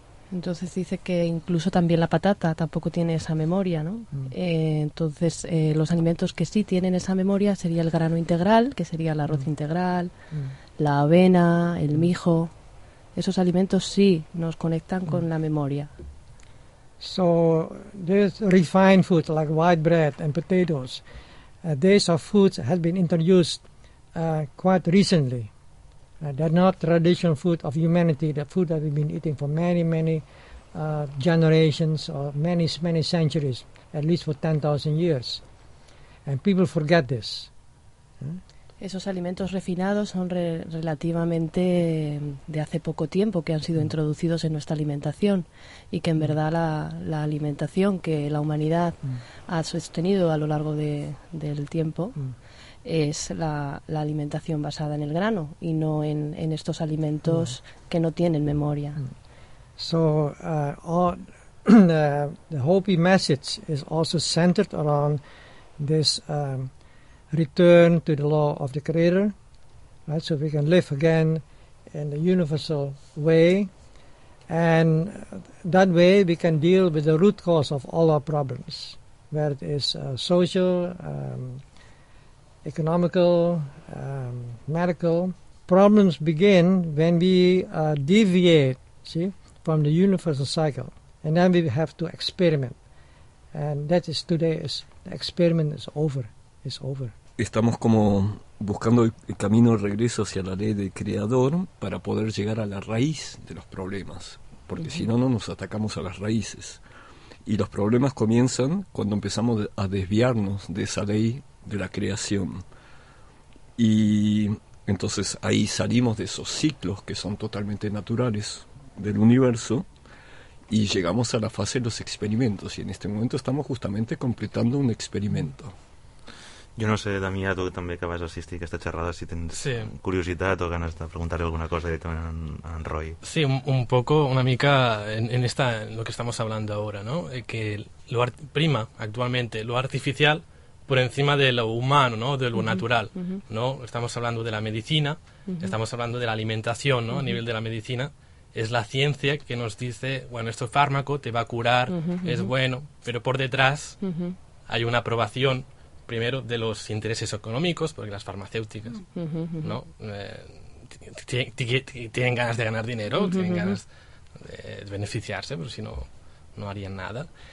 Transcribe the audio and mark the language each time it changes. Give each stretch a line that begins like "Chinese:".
Spanish: Entonces dice que incluso también la patata tampoco tiene esa memoria, ¿no? Entonces los alimentos que sí tienen esa memoria sería el grano integral, que sería el arroz integral, la avena, el mijo. Esos alimentos sí nos conectan con la memoria.
English: So these refined foods like white bread and potatoes, these are foods that have been introduced quite recently. They're not traditional food of humanity, the food that we've been eating for many, many generations or many, many centuries, at least for 10,000 years. And people forget this.
Spanish: Esos alimentos refinados son relativamente de hace poco tiempo que han sido introducidos en nuestra alimentación y que en verdad la alimentación que la humanidad ha sostenido a lo largo del tiempo es la alimentación basada en el grano y no en estos alimentos que no tienen memoria.
English: So the Hopi message is also centered around this return to the law of the Creator, right? So we can live again in the universal way, and that way we can deal with the root cause of all our problems, where it is social, economical, medical. Problems begin when we deviate, see, from the universal cycle, and then we have to experiment, and that is today. Is the experiment is over? It's over.
Spanish: Estamos como buscando el camino de regreso hacia la ley del creador para poder llegar a la raíz de los problemas, porque si no nos atacamos a las raíces. Y los problemas comienzan cuando empezamos a desviarnos de esa ley de la creación. Y entonces ahí salimos de esos ciclos que son totalmente naturales del universo y llegamos a la fase de los experimentos. Y en este momento estamos justamente completando un experimento.
Catalan: Jo no sé, Damià, tu també que vas assistir a aquesta xerrada, si tens curiositat o ganes de preguntar-li alguna cosa directament a en Roy.
Spanish: Sí, un poco,
Catalan: una mica
Spanish: en esta, lo que estamos hablando ahora, ¿no? Que lo prima actualmente lo artificial por encima de lo humano, ¿no? De lo natural, ¿no? Estamos hablando de la medicina, estamos hablando de la alimentación, ¿no? A nivel de la medicina, es la ciencia que nos dice, bueno, esto es fármaco, te va a curar, es bueno, pero por detrás hay una aprobación primero de los intereses económicos, porque las farmacéuticas no tienen ganas de ganar dinero, tienen ganas de beneficiarse, pero si no, no harían nada.